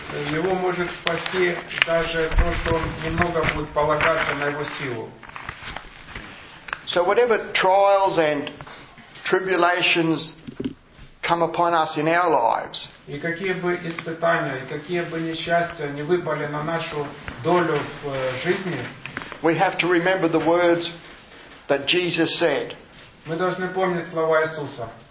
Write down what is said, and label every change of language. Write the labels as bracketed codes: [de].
[ru] Его может спасти даже то, что он немного будет полагаться на его силу. [en] So whatever trials and tribulations come upon us in our lives, [ru] и какие бы испытания, и какие бы несчастья не выпали на нашу долю в жизни, [en] we have to remember the words that Jesus said. [ru] Мы должны помнить слова Иисуса.